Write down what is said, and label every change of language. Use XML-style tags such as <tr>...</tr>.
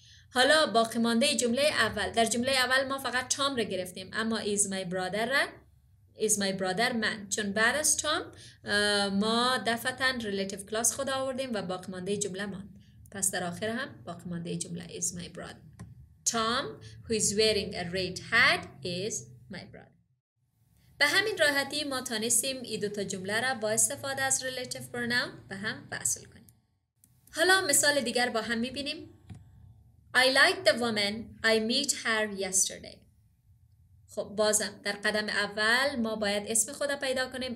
<fa>حالا باقی مانده جمله اول. در جمله اول ما فقط Tom رو گرفتیم اما</fa> <en>Is my brother</en> <fa>را</fa> <en>is my brother من.</en> <fa>چون بعد از Tom ما دفعتاً relative clause خود آوردیم و باقی مانده جمله ماند. پس در آخر هم باقی مانده جمله</fa> <en>is my brother. Tom who is wearing a red hat is my brother.</en> <fa>به همین راحتی ما تانستیم این دوتا جمله را با استفاده از relative pronoun به هم وصل کنیم. حالا مثال دیگر با هم میبینیم.</fa> <en>I like the woman. I meet her yesterday.</en> <fa>خب بازم در قدم اول ما باید اسم خود را پیدا کنیم.</fa>